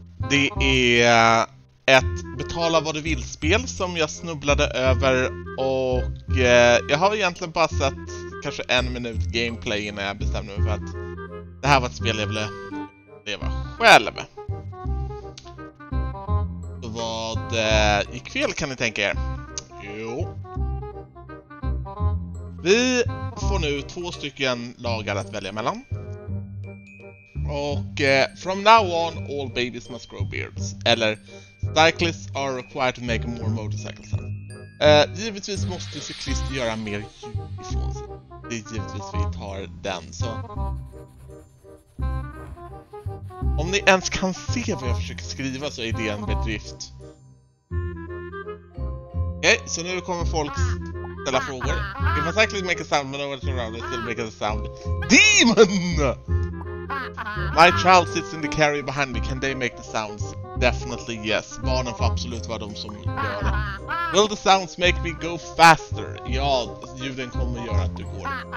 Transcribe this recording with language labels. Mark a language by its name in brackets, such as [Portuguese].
[Swedish] Det är ett betala vad du vill spel som jag snubblade över, och jag har egentligen bara sett kanske en minut gameplay innan jag bestämde mig för att det här var ett spel jag ville leva själv. Vad gick fel, kan ni tänka er? Jo. Vi får nu två stycken lagar att välja mellan. Och [English] from now on all babies must grow beards. [Swedish] Eller [English] cyclists are required to make more motorcycles. [Swedish] Givetvis måste cyklister göra mer ljud ifrån sig. Det är givetvis vi tar den. Så om ni ens kan se vad jag försöker skriva, så är det en bedrift. Okej, okay, så nu kommer folk ställa frågor. [English] If a cyclist make a sound, but no one is around, it still makes a sound. Demon! My child sits in the carrier behind me. Can they make the sounds? Definitely yes. [Swedish] Barnen får absolut vara de som gör det. Will the sounds make me go faster? Ja, ljuden kommer göra att du går.